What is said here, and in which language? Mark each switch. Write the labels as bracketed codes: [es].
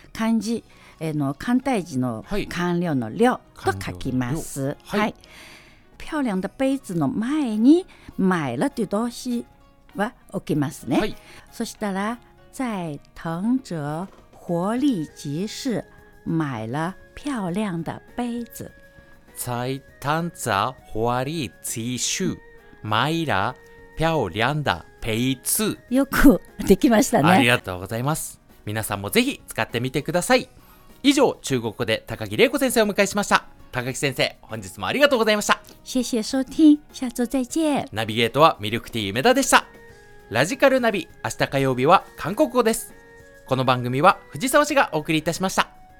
[ja] 漢字の簡体字の完了の量と書きます。はい、はい、 [zh] 漂亮的杯子 [ja] の前に買えという動詞は置きますね。はい、そしたら [zh] 在藤泽活力集市买了漂亮的杯子。在藤泽活力集市买了漂亮的杯子。 [ja] よくできましたね。ありがとうございます。皆さんもぜひ使ってみてください。以上、中国語で高木玲子先生をお迎えしました。高木先生、本日もありがとうございました。 [zh] 谢谢收听，下周再见。 [ja] ナビゲートはミルクティー梅田でした。ラジカルナビ、明日火曜日は韓国語です。この番組は藤沢氏がお送りいたしました。